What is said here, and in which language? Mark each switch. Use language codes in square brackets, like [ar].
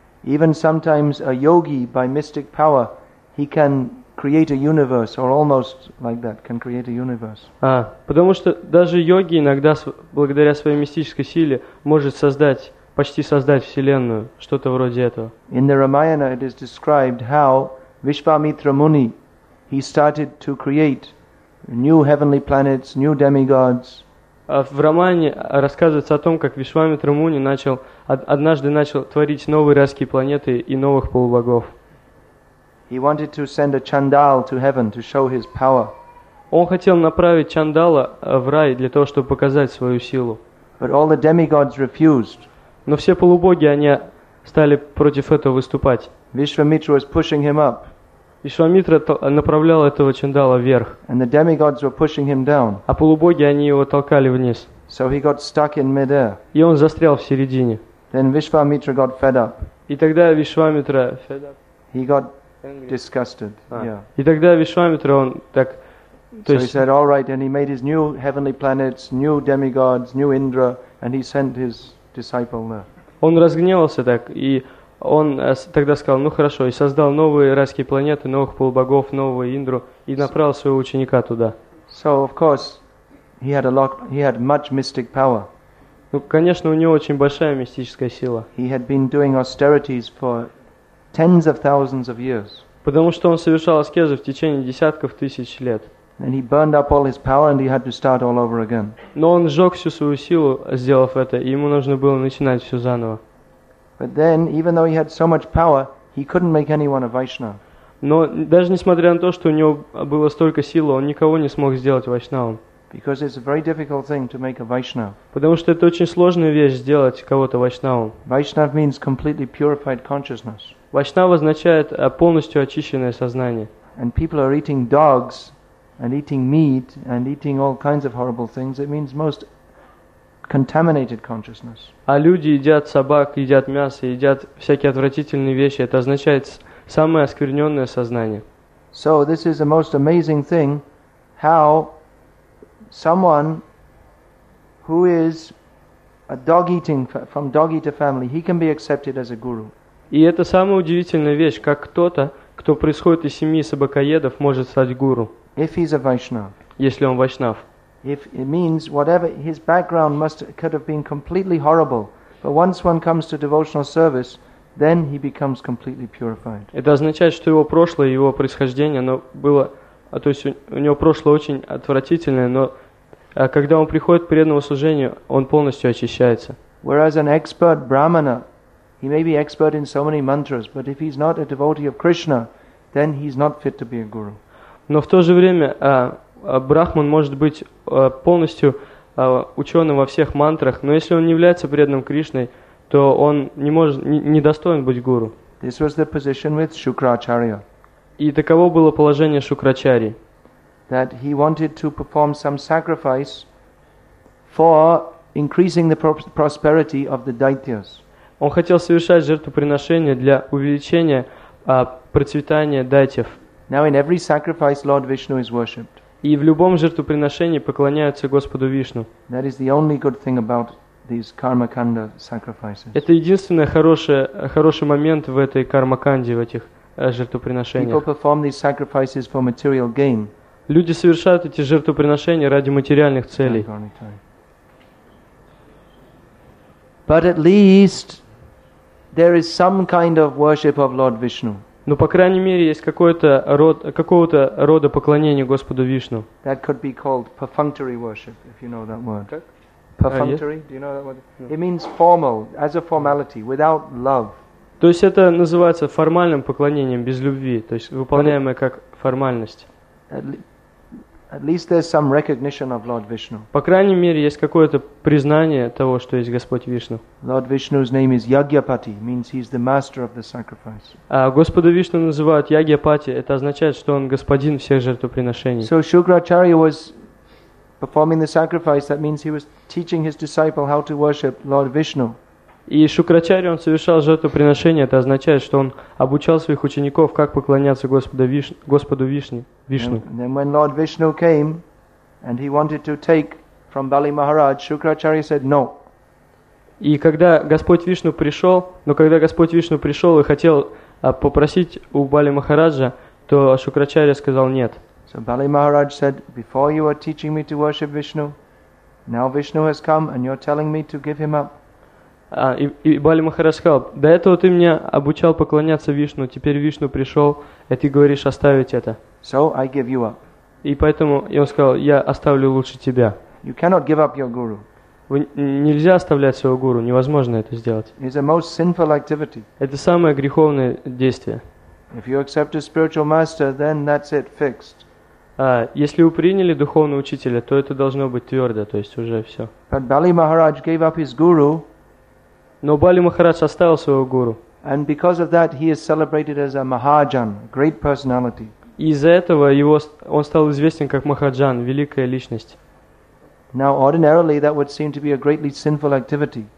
[en] Even sometimes a yogi by mystic power, he can create a universe or almost like that can create a universe. [ru] Потому что даже йоги иногда благодаря своей мистической силе может почти создать вселенную, что-то вроде этого. [en] In the Ramayana it is described how Vishvamitra Muni he started to create new heavenly planets, new demigods. [ru] В романе рассказывается о том, как Вишвамитра Муни однажды начал творить новые райские планеты и новых полубогов. [en] He wanted to send a chandal to heaven to show his power. [ru] Он хотел направить чандала в рай для того, чтобы показать свою силу. [en] But all the demigods refused. [ru] Но все полубоги они стали против этого выступать. [en] Vishvamitra was pushing him up. [ru] Вишвамитра направлял этого чандала вверх. [en] And the demigods were pushing him down. [ru] А полубоги они его толкали вниз. [en] So he got stuck in mid-air. [ru] И он застрял в середине. [en] Then Vishvamitra got fed up. [ru] И тогда Вишвамитра [en] he got disgusted. Yeah. [ru] И тогда Вишвамитра он так то есть, [en] so he said all right and he made his new heavenly planets, new demigods, new Indra and he sent his disciple there. [ru] Он разгневался так и он тогда сказал, ну хорошо, и создал новые райские планеты, новых полубогов, новую Индру, и направил своего ученика туда. [en] So of course he had much mystic power. [ru] Ну, конечно, у него очень большая мистическая сила. [en] He had been doing austerities for tens of thousands of years. [ru] Потому что он совершал аскезы в течение десятков тысяч лет. [en] And he burned up all his power and he had to start all over again. [ru] Но он сжег всю свою силу, сделав это, и ему нужно было начинать все заново. [en] But then, even though he had so much power, he couldn't make anyone a Vaishnava. [ru] Но даже несмотря на то, что у него было столько силы, он никого не смог сделать вайшнавом. [en] Because it's a very difficult thing to make a Vaishnava. [ru] Потому что это очень сложная вещь сделать кого-то вайшнавом. [en] Vaishnava means completely purified consciousness. [ru] Вайшнава означает полностью очищенное сознание. [en] And people are eating dogs and eating meat and eating all kinds of horrible things. It means most contaminated consciousness. [ru] А люди едят собак, едят мясо, едят всякие отвратительные вещи. Это означает самое оскверненное сознание. [en] So this is the most amazing thing, how someone who is a dog eating from dog eater family, he can be accepted as a guru. [ru] И это самая удивительная вещь, как кто-то, кто происходит из семьи собакоедов, может стать гуру. [en] If he's a Vaishnav. [ru] Если он вайшнав. [en] If it means whatever his background must could have been completely horrible, but once one comes to devotional service, then he becomes completely purified. [ru] Это означает, что его прошлое, его происхождение, оно было, то есть у него прошлое очень отвратительное, но когда он приходит к преданному служению, он полностью очищается. [en] Whereas an expert brahmana, he may be expert in so many mantras, but if he's not a devotee of Krishna, then he's not fit to be a guru. [ru] Но в то же время брахман может быть полностью ученым во всех мантрах, но если он не является преданным Кришной, то он не достоин быть гуру. [en] This was the position with Shukracharya. [ru] И таково было положение Шукрачарьи. [en] That he wanted to perform some sacrifice for increasing the prosperity of the daityas. [ru] Он хотел совершать жертвоприношение для увеличения процветания дайтев. [en] Now in every sacrifice Lord Vishnu is worshipped. [ru] И в любом жертвоприношении поклоняются Господу Вишну. [en] That is the only good thing about these karmakanda sacrifices. [ru] Это единственный хороший момент в этой кармаканде, в этих жертвоприношениях. [en] People perform these sacrifices for material gain. [ru] Люди совершают эти жертвоприношения ради материальных целей. [en] But at least there is some kind of worship of Lord Vishnu. [ru] Но, по крайней мере, есть какого-то рода поклонения Господу Вишну. [en] That could be called perfunctory worship, if you know that word. Okay. Perfunctory? Do you know that word? No. It means formal, as a formality, without love. [ru] То есть это называется формальным поклонением, без любви, то есть выполняемое как формальность. [en] At least there's some recognition of Lord Vishnu. [ru] По крайней мере, есть какое-то признание того, что есть Господь Вишну. [en] Lord Vishnu's name is Yagyapati, means he's the master of the sacrifice. [ru] Господа Вишну называют Ягьяпати, это означает, что он господин всех жертвоприношений. [en] So Shukracharya was performing the sacrifice, that means he was teaching his disciple how to worship Lord Vishnu. [ru] И Шукрачарья, он совершал жертвоприношение, это означает, что он обучал своих учеников, как поклоняться Господу Вишну. [en] And then when Lord Vishnu came, and he wanted to take from Bali Maharaj, Shukracharya said no. [ru] И когда Господь Вишну пришел, и хотел попросить у Бали Махараджа, то Шукрачарья сказал нет. [en] So Bali Maharaj said, before you were teaching me to worship Vishnu, now Vishnu has come and you're telling me to give him up. [ru] И Бали Махарадж сказал, до этого ты меня обучал поклоняться Вишну, теперь Вишну пришел, и ты говоришь оставить это. [en] So I give you up. [ru] И поэтому он сказал, я оставлю лучше тебя. [en] You cannot give up your guru. [ru] Нельзя оставлять своего гуру, невозможно это сделать. [en] It's a most sinful activity. [ru] Это самое греховное действие. [en] If you accept a spiritual master, then that's it fixed. [ru] Если вы приняли духовного учителя, то это должно быть твердо, то есть уже все. [en] But Bali Maharaj gave up his guru. [ru] Но Бали Махарадж оставил своего гуру. [en] And because of that, he is celebrated as a Mahajan, great personality. [ru] И из-за этого он стал известен как Махаджан, великая личность. [en] Now, ordinarily, that would seem to be a greatly sinful activity.